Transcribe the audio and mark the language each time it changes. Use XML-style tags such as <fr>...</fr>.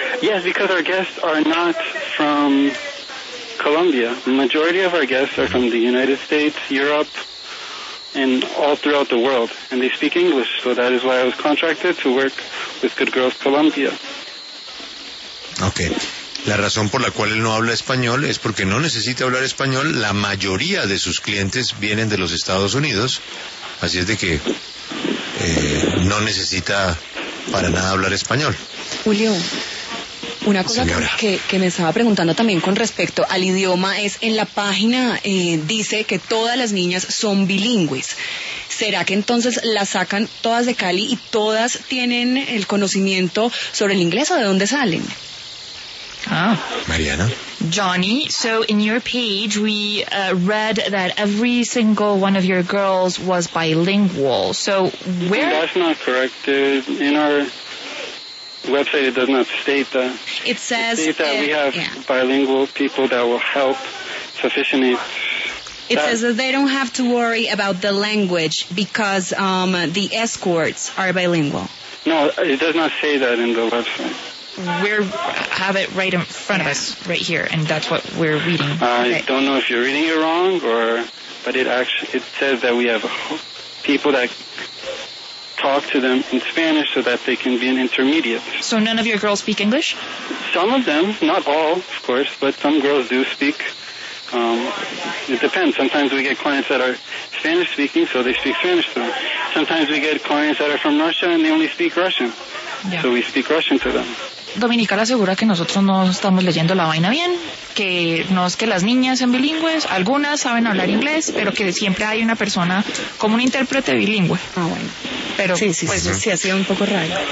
<en>Yes, because our guests are not from Colombia. Majority of our guests are from the United States, Europe, and all throughout the world, and they speak English, so that is why I was contracted to work with Good Girls Colombia. Okay.</en> <es>La razón por la cual él no habla español es porque no necesita hablar español. La mayoría de sus clientes vienen de los Estados Unidos, así es de que no necesita para nada hablar español. Julio, una cosa que me estaba preguntando también con respecto al idioma es, en la página dice que todas las niñas son bilingües. ¿Será que entonces las sacan todas de Cali y todas tienen el conocimiento sobre el inglés, o de dónde salen? Ah. Mariana.</es> <en>Johnny, so in your page we read that every single one of your girls was bilingual. So where? That's not correct. In our website it does not state that. It says bilingual people that will help sufficiently. It says that they don't have to worry about the language because the escorts are bilingual. No, it does not say that in the website. We have it right in front of us, right here, and that's what we're reading. I don't know if you're reading it wrong, but it says that we have people that talk to them in Spanish so that they can be an intermediate. So none of your girls speak English? Some of them, not all, of course, but some girls do speak. It depends. Sometimes we get clients that are Spanish-speaking, so they speak Spanish to them. Sometimes we get clients that are from Russia, and they only speak Russian. Yeah. So we speak Russian to them.</en> <es>Dominical asegura que nosotros no estamos leyendo la vaina bien, que no es que las niñas sean bilingües, algunas saben hablar inglés, pero que siempre hay una persona como un intérprete bilingüe. Ah, bueno. Pero sí, pues sí, ha sido un poco raro.</es>